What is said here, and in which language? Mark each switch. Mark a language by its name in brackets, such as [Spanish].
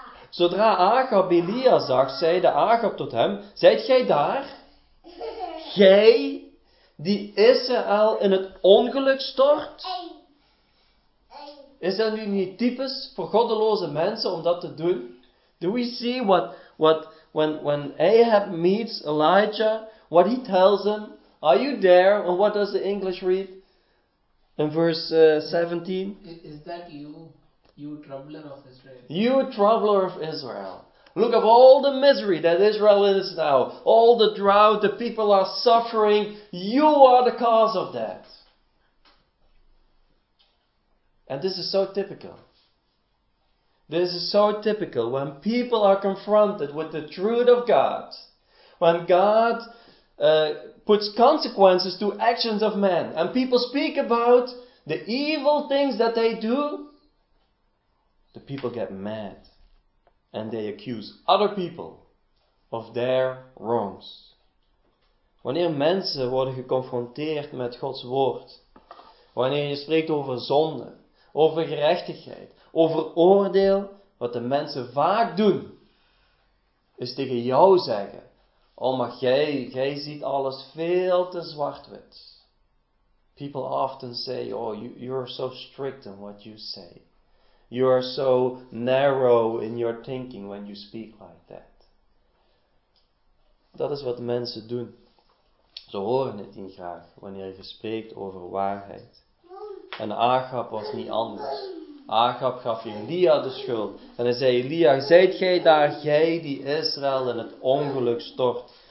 [Dutch] Zodra Achab Elia zag, zeide Achab tot hem, zijt gij daar? Gij die Israël in het ongeluk stort? Is dat nu niet typisch voor goddeloze mensen om dat te doen? [English] Do we see when Ahab meets Elijah, what he tells him? Are you there? And what does the English read in verse 17? Is that you, you troubler of Israel? You troubler of Israel. Look at all the misery that Israel is now. All the drought, the people are suffering. You are the cause of that. And this is so typical. This is so typical when people are confronted with the truth of God. When God puts consequences to actions of men. And people speak about the evil things that they do. The people get mad. And they accuse other people of their wrongs. [Dutch] Wanneer mensen worden geconfronteerd met Gods woord. Wanneer je spreekt over zonde. Over gerechtigheid, over oordeel, wat de mensen vaak doen, is tegen jou zeggen, oh maar jij ziet alles veel te zwart-wit. [English] People often say, oh you're so strict in what you say. You are so narrow in your thinking when you speak like that. [Dutch] Dat is wat mensen doen. Ze horen het niet graag wanneer je spreekt over waarheid. En Achab was niet anders. Achab gaf Elia de schuld. En hij zei, Elia, zijt gij daar, gij die Israël in het ongeluk stort?